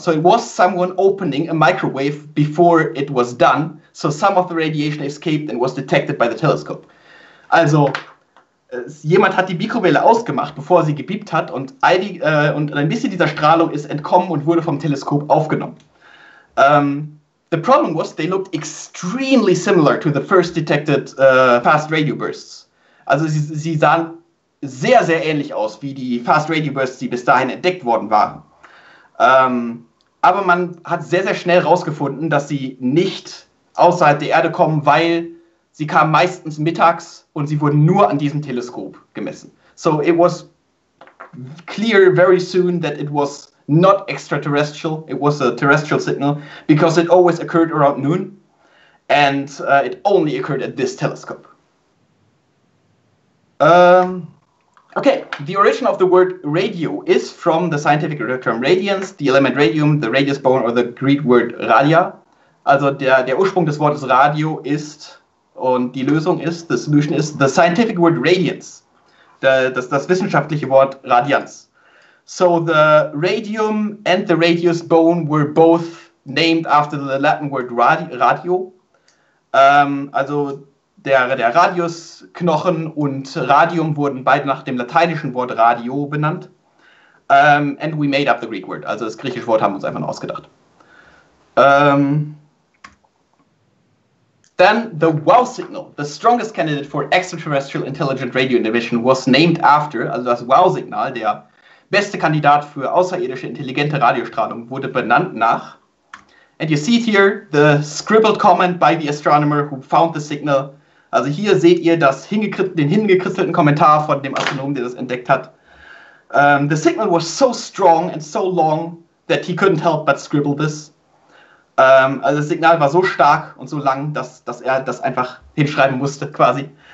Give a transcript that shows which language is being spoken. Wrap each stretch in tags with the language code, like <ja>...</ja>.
<en>So it was someone opening a microwave before it was done, so some of the radiation escaped and was detected by the telescope.</en> <de>Also jemand hat die Mikrowelle ausgemacht, bevor sie gepiept hat, und ein bisschen dieser Strahlung ist entkommen und wurde vom Teleskop aufgenommen.</de> <en>The problem was, they looked extremely similar to the first detected fast radio bursts.</en> <de>Also sie sahen sehr, sehr ähnlich aus wie die fast radio bursts, die bis dahin entdeckt worden waren. Aber man hat sehr, sehr schnell herausgefunden, dass sie nicht außerhalb der Erde kommen, weil sie kamen meistens mittags und sie wurden nur an diesem Teleskop gemessen.</de> <en>So it was clear very soon that it was not extraterrestrial. It was a terrestrial signal because it always occurred around noon and it only occurred at this telescope. The origin of the word radio is from the scientific term radiance, the element radium, the radius bone or the Greek word radia.</en> <de>Also der Ursprung des Wortes Radio ist... Und die Lösung ist,</de> <en>the solution is the scientific word radiance,</en> <de>das wissenschaftliche Wort Radianz.</de> <en>So the radium and the radius bone were both named after the Latin word radio.</en> <de>Also der Radiusknochen und Radium wurden beide nach dem lateinischen Wort radio benannt.</de> <en>And we made up the Greek word.</en> <de>Also das griechische Wort haben wir uns einfach nur ausgedacht.</de> <en>Then the WOW signal, the strongest candidate for extraterrestrial intelligent radio emission, was named after,</en> <de>also das WOW-Signal, der beste Kandidat für außerirdische intelligente Radiostrahlung, wurde benannt nach.</de> <en>And you see here the scribbled comment by the astronomer who found the signal.</en> <de>Also hier seht ihr den hingekritzelten Kommentar von dem Astronomen, der das entdeckt hat.</de> <en>The signal was so strong and so long that he couldn't help but scribble this.</en> <de>Also das Signal war so stark und so lang, dass er das einfach hinschreiben musste, quasi.</de>